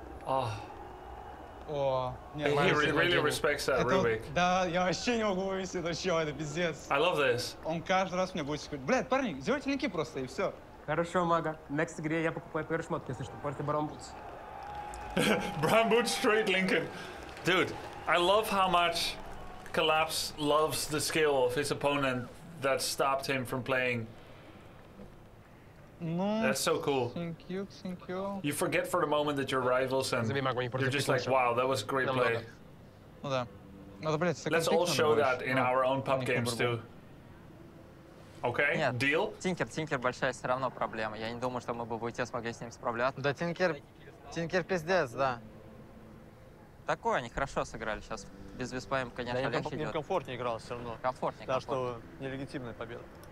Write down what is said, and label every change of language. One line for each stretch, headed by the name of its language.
English: Oh. Oh, yeah, he really respects that,
Russian: это, Рубик. Да, я вообще не могу вывести это еще, это пиздец.
English: I love this.
Russian: Он каждый раз мне будет сказать, блядь, парни, сделайте линки просто, и все. Хорошо, мага. В next игре я покупаю первые шмотки, если что, портите Брамбутс. Брамбутс
English: straight Lincoln. Dude, I love how much Collapse loves the skill of his opponent that stopped him from playing. That's so cool. Thank you, thank you. You forget for the moment that you're rivals and you're just like, wow, that was a great play. Let's all show that in our own pub games too. Okay, deal?
Russian: Тинкер, Тинкер большая, все равно проблема. Я не думаю, что мы бы в УТ смогли с ним справляться. Да, Тинкер, Тинкер пиздец, да. Такое, они хорошо сыграли сейчас. Без виспаем, конечно, легче идет. Да, некомфортнее играл все равно. Комфортнее, комфортнее. Так что нелегитимная победа.